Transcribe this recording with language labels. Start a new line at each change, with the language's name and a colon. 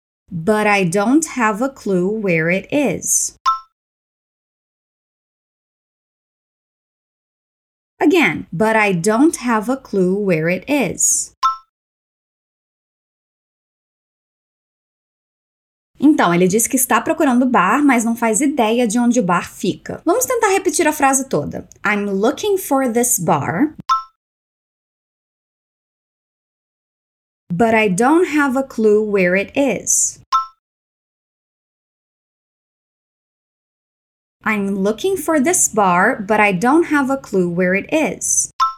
English: But I don't have a clue where it is. Again, but I don't have a clue where it is.
Portuguese: Então, ele diz que está procurando o bar, mas não faz ideia de onde o bar fica. Vamos tentar repetir a frase toda.
English: I'm looking for this bar, but I don't have a clue where it is. I'm looking for this bar, but I don't have a clue where it is.